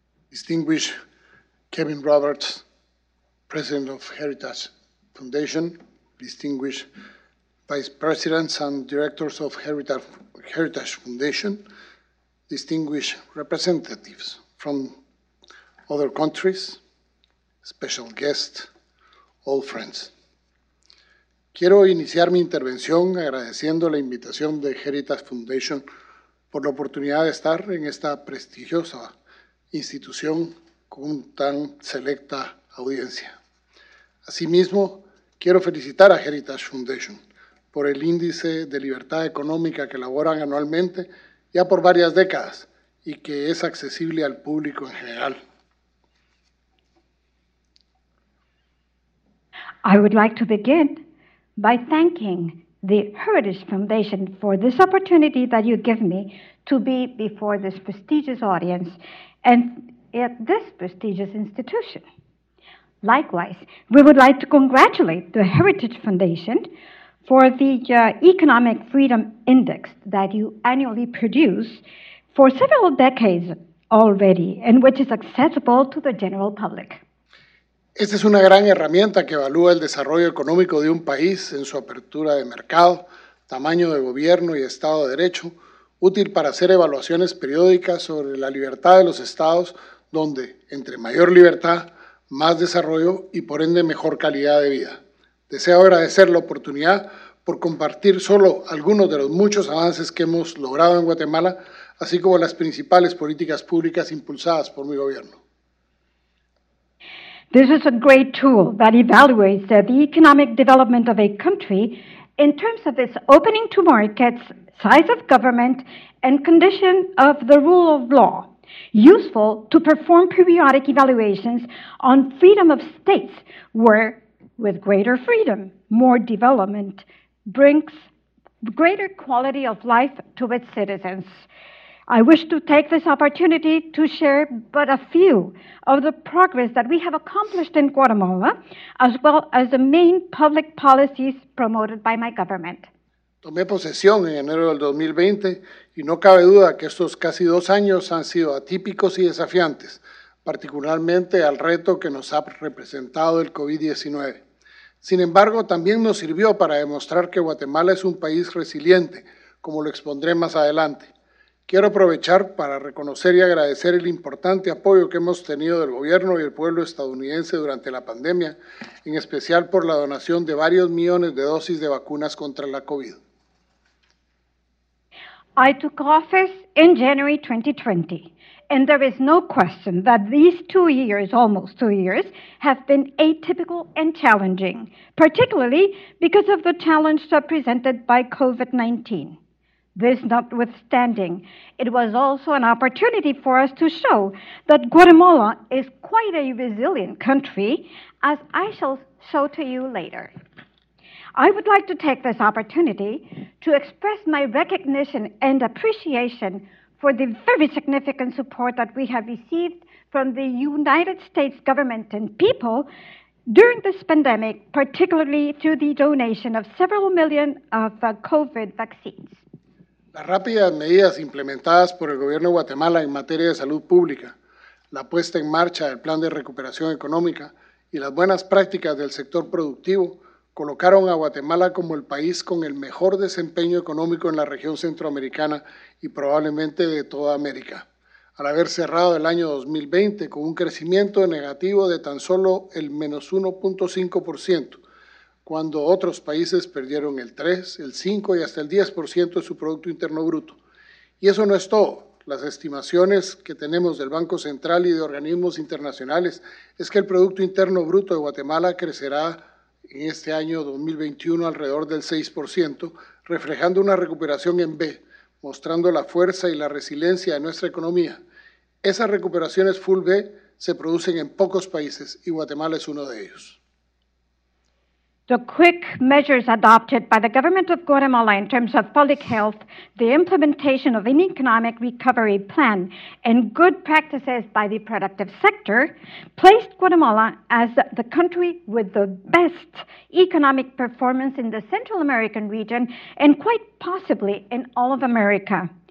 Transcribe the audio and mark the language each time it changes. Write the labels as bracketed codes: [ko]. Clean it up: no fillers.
[en] Distinguished Kevin Roberts, President of Heritage Foundation, distinguished Vice Presidents and Directors of Heritage Foundation, distinguished representatives from other countries, special guests, old friends. [es] Quiero iniciar mi intervención agradeciendo la invitación de Heritage Foundation por la oportunidad de estar en esta prestigiosa institución con una tan selecta audiencia. Asimismo, quiero felicitar a Heritage Foundation por el índice de libertad económica que elaboran anualmente ya por varias décadas y que es accesible al público en general. [en] I would like to begin by thanking the Heritage Foundation for this opportunity that you give me to be before this prestigious audience and at this prestigious institution. Likewise, we would like to congratulate the Heritage Foundation for the Economic Freedom Index that you annually produce for several decades already, and which is accessible to the general public. [es] Esta es una gran herramienta que evalúa el desarrollo económico de un país en su apertura de mercado, tamaño de gobierno y Estado de Derecho, útil para hacer evaluaciones periódicas sobre la libertad de los estados, donde entre mayor libertad, más desarrollo y por ende mejor calidad de vida. Deseo agradecer la oportunidad por compartir solo algunos de los muchos avances que hemos logrado en Guatemala, así como las principales políticas públicas impulsadas por mi gobierno. [en] This is a great tool that evaluates the economic development of a country in terms of its opening to markets, size of government, and condition of the rule of law, useful to perform periodic evaluations on freedom of states, where with greater freedom, more development brings greater quality of life to its citizens. I wish to take this opportunity to share but a few of the progress that we have accomplished in Guatemala, as well as the main public policies promoted by my government. [es] Tomé posesión en enero del 2020 y no cabe duda que estos casi dos años han sido atípicos y desafiantes, particularmente al reto que nos ha representado el COVID-19. Sin embargo, también nos sirvió para demostrar que Guatemala es un país resiliente, como lo expondré más adelante. Quiero aprovechar para reconocer y agradecer el importante apoyo que hemos tenido del gobierno y el pueblo estadounidense durante la pandemia, en especial por la donación de varios millones de dosis de vacunas contra la COVID. [en] I took office in January 2020, and there is no question that these 2 years, almost 2 years, have been atypical and challenging, particularly because of the challenge presented by COVID-19. This notwithstanding, it was also an opportunity for us to show that Guatemala is quite a resilient country, as I shall show to you later. I would like to take this opportunity to express my recognition and appreciation for the very significant support that we have received from the United States government and people during this pandemic, particularly through the donation of several million of COVID vaccines. [es] Las rápidas medidas implementadas por el gobierno de Guatemala en materia de salud pública, la puesta en marcha del plan de recuperación económica y las buenas prácticas del sector productivo colocaron a Guatemala como el país con el mejor desempeño económico en la región centroamericana y probablemente de toda América, al haber cerrado el año 2020 con un crecimiento negativo de tan solo el menos 1.5%, cuando otros países perdieron el 3, el 5 y hasta el 10% de su Producto Interno Bruto. Y eso no es todo. Las estimaciones que tenemos del Banco Central y de organismos internacionales es que el Producto Interno Bruto de Guatemala crecerá en este año 2021 alrededor del 6%, reflejando una recuperación en B, mostrando la fuerza y la resiliencia de nuestra economía. Esas recuperaciones full B se producen en pocos países y Guatemala es uno de ellos. [en] The quick measures adopted by the government of Guatemala in terms of public health, the implementation of an economic recovery plan, and good practices by the productive sector placed Guatemala as the country with the best economic performance in the Central American region and quite possibly in all of America.